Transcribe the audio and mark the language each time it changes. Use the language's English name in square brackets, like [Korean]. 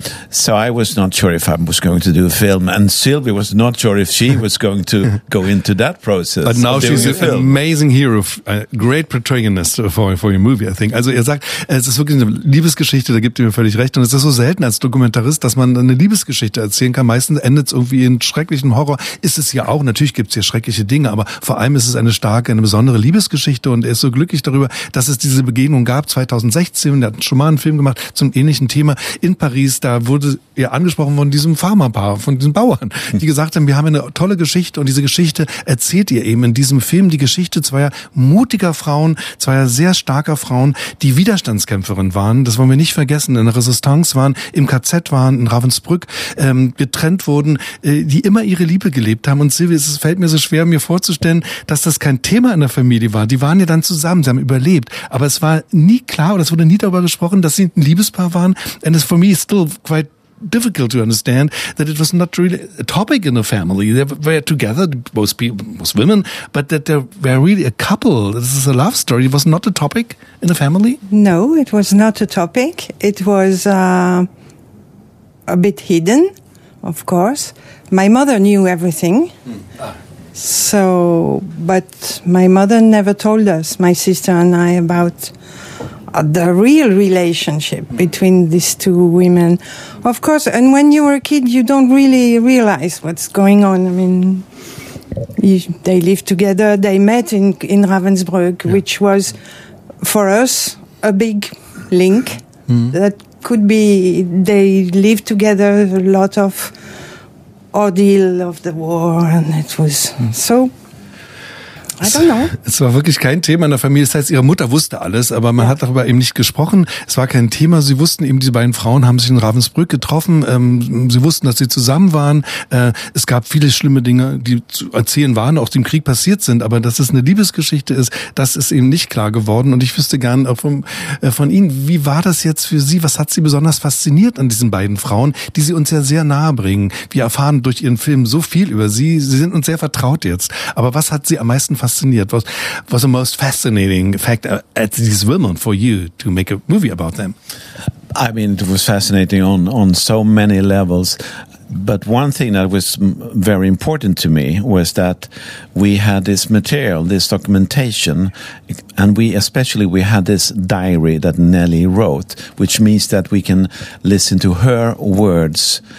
[English] So I was not sure if I was going to do a film, and Sylvie was not sure if she was going to go into that process. But now she's an amazing hero, a great protagonist for your movie, I think. [German] Also er sagt, es ist wirklich eine Liebesgeschichte, da gibt ihr mir völlig recht. Und es ist so selten als Dokumentarist, dass man eine Liebesgeschichte erzählen kann. Meistens endet es irgendwie in schrecklichem Horror. Ist es ja auch, natürlich gibt es hier schreckliche Dinge, aber vor allem ist es eine starke, eine besondere Liebesgeschichte. Und er ist so glücklich darüber, dass es diese Begegnung gab 2016. Er hat schon mal einen Film gemacht zum ähnlichen Thema in Paris. Da wurde er angesprochen von diesem Farmerpaar, von diesen Bauern, die gesagt haben, wir haben eine tolle Geschichte, und diese Geschichte erzählt ihr eben in diesem Film die Geschichte zweier mutiger Frauen, zweier sehr starker Frauen, die Widerstandskämpferin waren, das wollen wir nicht vergessen, in der Resistance waren, im KZ waren, in Ravensbrück getrennt wurden, die immer ihre Liebe gelebt haben. Und Silvi, es fällt mir so schwer, mir vorzustellen, dass das kein Thema in der Familie war. Die waren ja dann zusammen, sie haben überlebt. Aber es war nie klar, oder es wurde nie darüber gesprochen, dass sie ein Liebespaar waren. [English] And it's for me still quite difficult to understand that it was not really a topic in the family. They were together, most people, most women, but that they were really a couple. This is a love story. It was not a topic in the family? No, it was not a topic. It was a bit hidden, of course. My mother knew everything. So, but my mother never told us, my sister and I, about the real relationship between these two women. Of course, and when you were a kid, you don't really realize what's going on. I mean, they lived together. They met in Ravensbrück, yeah, which was for us a big link. That could be, they lived together, a lot of ordeal of the war, and it was so. I don't know. [German] Es war wirklich kein Thema in der Familie. Das heißt, ihre Mutter wusste alles, aber man hat darüber eben nicht gesprochen. Es war kein Thema. Sie wussten eben, diese beiden Frauen haben sich in Ravensbrück getroffen. Sie wussten, dass sie zusammen waren. Es gab viele schlimme Dinge, die zu erzählen waren, auch die im Krieg passiert sind. Aber dass es eine Liebesgeschichte ist, das ist eben nicht klar geworden. Und ich wüsste gern von Ihnen, wie war das jetzt für Sie? Was hat Sie besonders fasziniert an diesen beiden Frauen, die Sie uns ja sehr nahe bringen? Wir erfahren durch Ihren Film so viel über Sie. Sie sind uns sehr vertraut jetzt. Aber was hat Sie am meisten fasziniert? [English] What's the most fascinating fact at this moment for you to make a movie about them? I mean, it was fascinating on so many levels. But one thing that was very important to me was that we had this material, this documentation, and we had this diary that Nelly wrote, which means that we can listen to her words.